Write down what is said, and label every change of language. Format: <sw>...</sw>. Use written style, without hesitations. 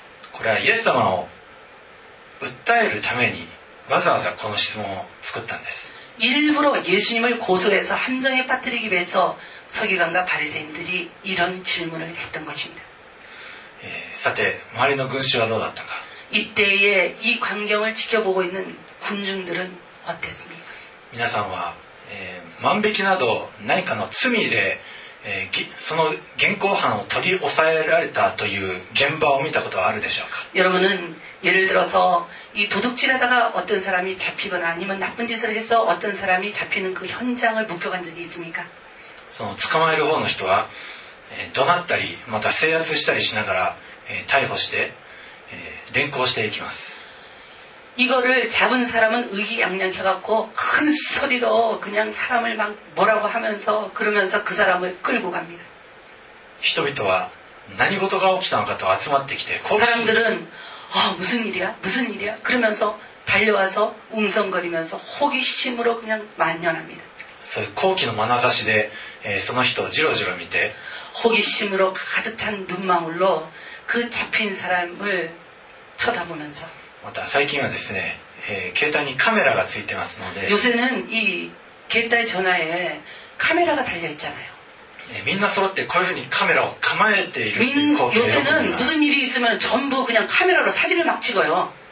<ja>これはイエス様を訴えるためにわざわざこの質問を作ったんです</ja> <ko>일부러예수님을고소해서함정에빠뜨리기위해서서기관과바리새인들이이런질문을했던것입니다</ko> <ja>さて周りの群衆はどうだったか</ja> <ko>이때에이광경을지켜보고있는군중들은어땠습니까</ko> <ja>皆さんは万引きなど何かの罪でその現行犯を取り押さえられたという現場を見たことはあるでしょうか</ja> <ko>여러분은예를들어서이도둑질하다가어떤사람이잡히거나아니면나쁜짓을해서어떤사람이잡히는그현장을목격한적이있습니까</ko> <ja>その捕まえる方の人は怒鳴ったりまた制圧したりしながら逮捕して連行していきます</ja> <ko>이거를잡은사람은의기양양해갖고큰소리로그냥사람을막뭐라고하면서그러면서그사람을끌고갑니다</ko> <ja>人々は何事が起きたのかと集まってきて</ja> <ko>사람들은아무슨일이야무슨일이야그러면서달려와서웅성거리면서호기심으로그냥만연합니다</ko> <ja>そういう好奇の眼差しで、その人をじろじろ見て</ja> <ko>호기심으로가득찬눈망울로그잡힌사람을쳐다보면서</ko> <ja>また最近はですね、携帯にカメラがついてますので</ja> <ko>요새는이携帯전화에카메라가달려있잖아요</ko> <ja>みんな揃ってこういうふうにカメラを構えているっていう光景を見ます</ja> <ko>요새는무슨일이있으면전부그냥카메라로사진을막찍어요</ko>